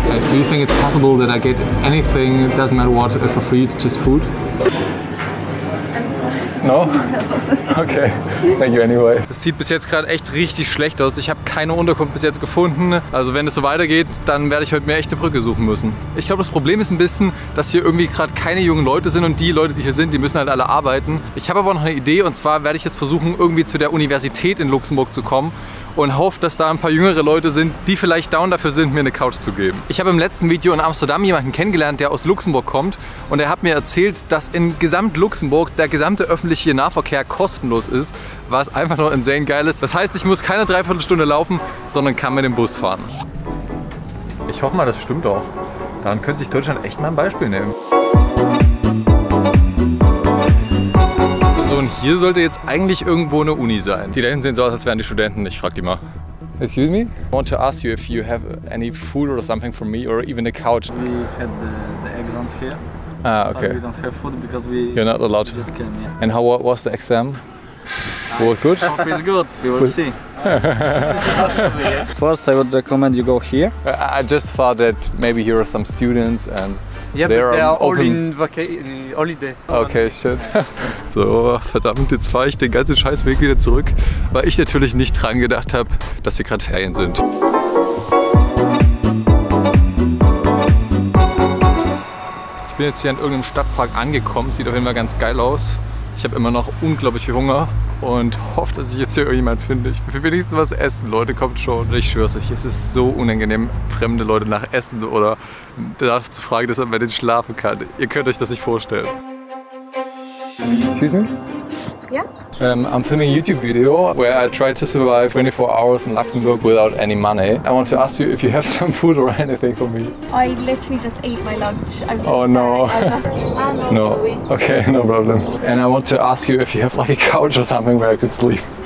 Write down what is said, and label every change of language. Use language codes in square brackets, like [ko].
[en] Do you think it's possible that I get anything, it doesn't matter what, for free, just food? No? Okay, thank you anyway. [de] Es sieht bis jetzt gerade echt richtig schlecht aus. Ich habe keine Unterkunft bis jetzt gefunden. Also wenn es so weitergeht, dann werde ich heute mir echt eine Brücke suchen müssen. Ich glaube, das Problem ist ein bisschen, dass hier irgendwie gerade keine jungen Leute sind und die Leute, die hier sind, die müssen halt alle arbeiten. Ich habe aber noch eine Idee und zwar werde ich jetzt versuchen, irgendwie zu der Universität in Luxemburg zu kommen und hoffe, dass da ein paar jüngere Leute sind, die vielleicht down dafür sind, mir eine Couch zu geben. Ich habe im letzten Video in Amsterdam jemanden kennengelernt, der aus Luxemburg kommt und er hat mir erzählt, dass in gesamt Luxemburg der gesamte öffentliche Nahverkehr kostenlos ist, was einfach nur insane geil ist. Das heißt, ich muss keine Dreiviertelstunde laufen, sondern kann mit dem Bus fahren. Ich hoffe mal, das stimmt auch. Dann könnte sich Deutschland echt mal ein Beispiel nehmen. So, und hier sollte jetzt eigentlich irgendwo eine Uni sein. Die da hinten sehen so aus, als wären die Studenten. Ich frag die mal. [en] Excuse me? I want to ask you if you have any food or something for me or even a couch. We had the exams here. Ah, okay. So we don't have food because we... You're not allowed to. Just came, yeah. And how was the exam? Was good? Hope it's good. We will see. First, I would recommend you go here. I just thought that maybe here are some students and... Yeah, they are all in holiday. Okay, shit. [de] So, verdammt, jetzt fahre ich den ganzen Scheißweg wieder zurück, weil ich natürlich nicht dran gedacht habe, dass hier gerade Ferien sind. Ich bin jetzt hier in irgendeinem Stadtpark angekommen. Sieht auf jeden Fall ganz geil aus. Ich habe immer noch unglaublich viel Hunger und hoffe, dass ich jetzt hier irgendjemand finde. Ich will wenigstens was essen. Leute, kommt schon. Ich schwöre es euch, es ist so unangenehm, fremde Leute nach Essen oder danach zu fragen, dass man bei denen schlafen kann. Ihr könnt euch das nicht vorstellen. [en] Excuse me? Yeah? I'm filming a YouTube video where I try to survive 24 hours in Luxembourg without any money. I want to ask you if you have some food or anything for me. I literally just ate my lunch. I'm so No. I'm no. Okay, no problem. And I want to ask you if you have like a couch or something where I could sleep.